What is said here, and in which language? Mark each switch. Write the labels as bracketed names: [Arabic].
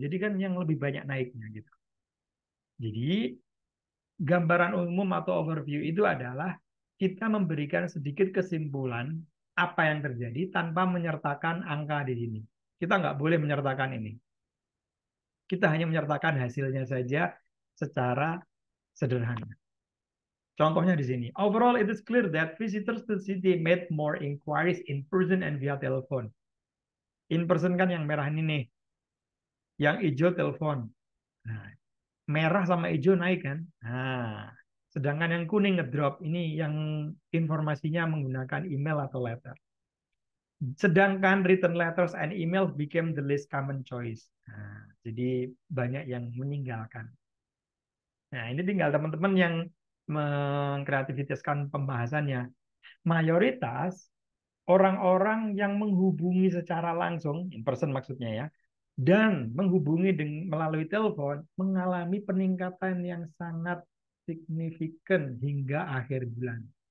[Indonesian] Jadi kan yang lebih banyak naiknya gitu. Jadi gambaran umum atau overview itu adalah kita memberikan sedikit kesimpulan apa yang terjadi tanpa menyertakan angka di sini. Kita nggak boleh menyertakan ini. Kita hanya menyertakan hasilnya saja secara sederhana. Contohnya di sini. [English] Overall, it is clear that visitors to the city made more inquiries in person and via telephone. [Indonesian] In person kan yang merah ini nih. Yang hijau telepon. Nah, merah sama hijau naik kan? Nah, sedangkan yang kuning ngedrop ini yang informasinya menggunakan email atau letter. Sedangkan [English] written letters and email became the least common choice. [Indonesian] Nah, jadi banyak yang meninggalkan. Nah, ini tinggal teman-teman yang mengkreativitaskan pembahasannya. Mayoritas orang-orang yang menghubungi secara langsung, in person maksudnya ya, dan menghubungi dengan melalui telepon mengalami peningkatan yang sangat signifikan hingga akhir bulan.